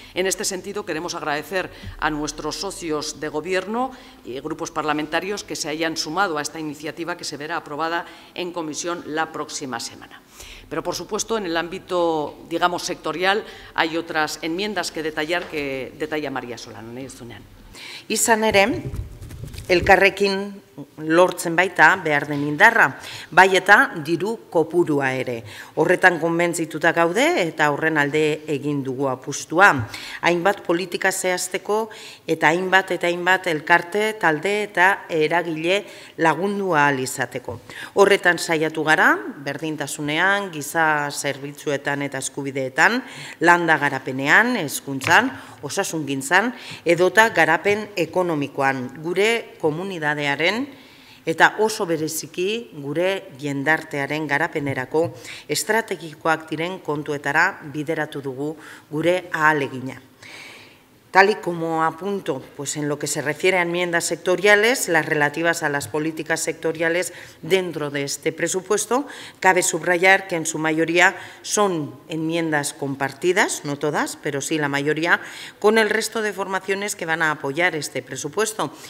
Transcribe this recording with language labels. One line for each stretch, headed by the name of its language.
Spanish: En este sentido, queremos agradecer a nuestros socios de Gobierno y grupos parlamentarios que se hayan sumado a esta iniciativa que se verá aprobada en comisión la próxima semana. Pero, por supuesto, en el ámbito, digamos, sectorial, hay otras enmiendas que detallar que detalla María Solano.
Basque: Izan ere, elkarrekin lortzen baita behar den indarra, bai eta diru kopurua ere. Horretan konbentzituta gaude eta horren alde egin dugu apustua. Hainbat politika zehazteko eta hainbat elkarte, talde eta eragile lagundua ahal izateko. Horretan saiatu gara, berdintasunean, giza zerbitzuetan eta eskubideetan, landa garapenean, hezkuntzan, osasungintzan, edota garapen ekonomikoan, gure komunidadearen eta oso bereziki gure jendartearen garapenerako estrategikoak diren kontuetara bideratu dugu gure ahalegina.
Spanish: Tal y como apunto, pues en lo que se refiere a enmiendas sectoriales, las relativas a las políticas sectoriales dentro de este presupuesto, cabe subrayar que en su mayoría son enmiendas compartidas, no todas, pero sí la mayoría, con el resto de formaciones que van a apoyar este presupuesto.